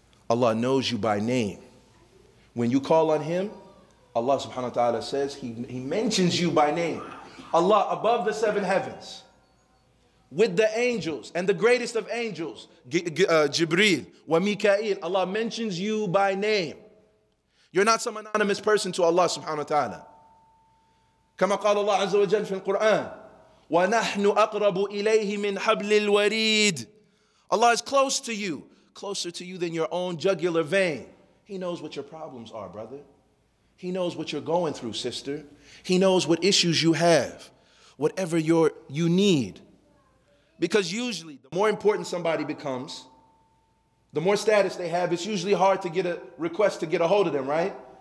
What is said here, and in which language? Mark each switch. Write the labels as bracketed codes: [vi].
[en] Allah knows you by name. When you call on him, Allah subhanahu wa ta'ala says, he mentions you by name. Allah, above the seven heavens, with the angels and the greatest of angels, Jibreel, wa Mika'il, Allah mentions you by name. You're not some anonymous person to Allah subhanahu wa ta'ala. [ar] كما قال الله عز وجل في القرآن ونحن أقرب إليه من حبل الوريد. [en] Allah is close to you, closer to you than your own jugular vein. He knows what your problems are, brother. He knows what you're going through, sister. He knows what issues you have, whatever you need. Because usually, the more important somebody becomes, the more status they have, it's usually hard to get a request to get a hold of them, right?